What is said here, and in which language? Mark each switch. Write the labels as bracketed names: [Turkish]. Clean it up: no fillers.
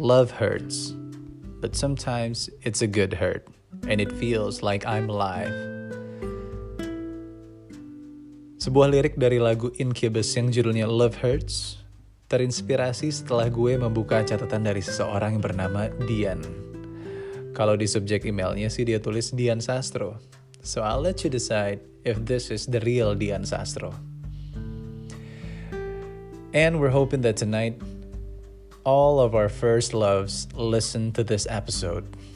[English] Love hurts, but sometimes it's a good hurt, and it feels like I'm alive. [Indonesian] Sebuah lirik dari lagu Incubus yang judulnya Love Hurts terinspirasi setelah gue membuka catatan dari seseorang yang bernama Dian. Kalau di subjek emailnya sih dia tulis Dian Sastro. [English] So I'll let you decide if this is the real Dian Sastro. And we're hoping that tonight all of our first loves listen to this episode.